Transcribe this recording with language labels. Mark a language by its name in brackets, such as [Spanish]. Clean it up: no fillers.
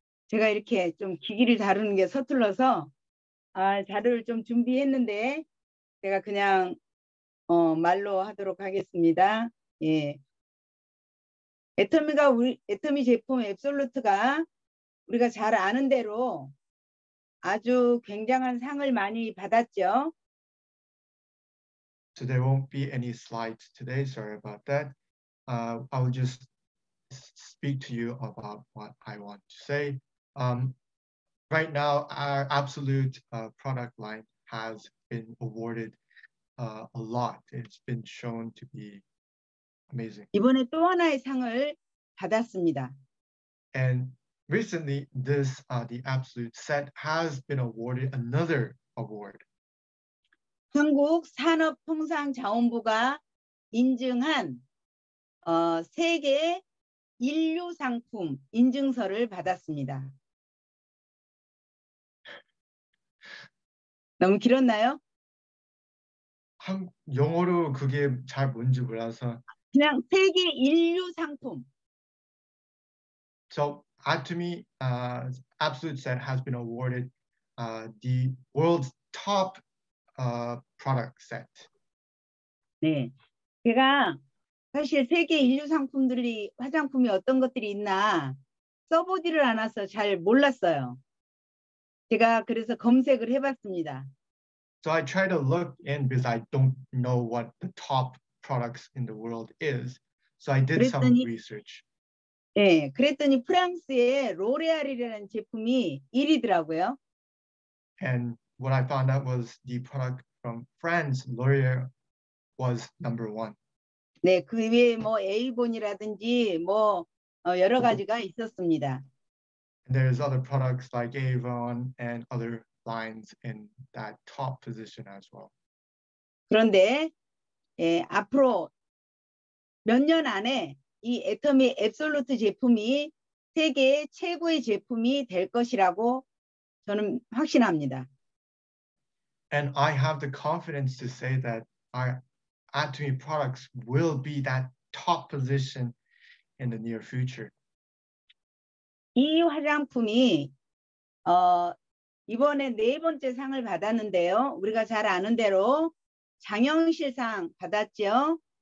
[Korean] 제가 이렇게 좀 기기를 다루는 게 서툴러서 자료를 좀 준비했는데 제가 그냥 말로 하도록 하겠습니다. 예. 애터미 제품 앱솔루트가 우리가 잘 아는 대로 아주 굉장한 상을 많이 받았죠. [English] Today won't be any slides today. Sorry about that. I'll just speak to you about what I want to say. Right now, our Absolute product line has been awarded a lot. It's been shown to be amazing. [Korean] 이번에 또 하나의 상을 받았습니다. [English] And recently, this the Absolute set has been awarded another award. [Korean] 한국 산업통상자원부가 인증한 세계 인류 상품 인증서를 받았습니다. 너무 길었나요? 영어로 그게 잘 뭔지 몰라서 그냥 세계 인류 상품. [English] So, Atomy Absolute Set has been awarded the world's top product set. [Korean] 네. 제가 사실 세계 인류 상품들이 화장품이 어떤 것들이 있나 써보지를 않아서 잘 몰랐어요. 제가 그래서 검색을 해봤습니다. [English] So I try to look in because I don't know what the top products in the world is. So I did [Korean] 그랬더니, [English] some research. [Korean] 네, 그랬더니 프랑스의 로레알이라는 제품이 1위더라고요. [English] And what I found out was the product from France, L'Oreal, was number one. [Korean] 네, 그 외에 뭐 에이본이라든지 뭐 여러 가지가 있었습니다. [English] There's other products like Avon and other lines in that top position as well. [Korean] 그런데 앞으로 몇 년 안에 이 애터미 앱솔루트 제품이 세계 최고의 제품이 될 것이라고 저는 확신합니다. [English] And I have the confidence to say that our Atomy products will be that top position in the near future. [Korean] 이 화장품이 이번에 네 번째 상을 받았는데요. 우리가 잘 아는 대로 장영실상 받았죠.